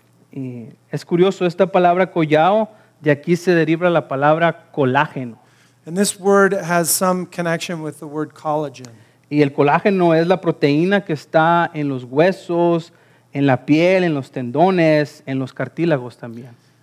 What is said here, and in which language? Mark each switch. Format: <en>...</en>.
<es>Y es curioso, esta palabra collao, de aquí se deriva la palabra colágeno.</es> <en>And this word has some connection with the word collagen.</en> <es>Y el colágeno es la proteína que está en los huesos, en la piel, en los tendones, en los cartílagos también.</es>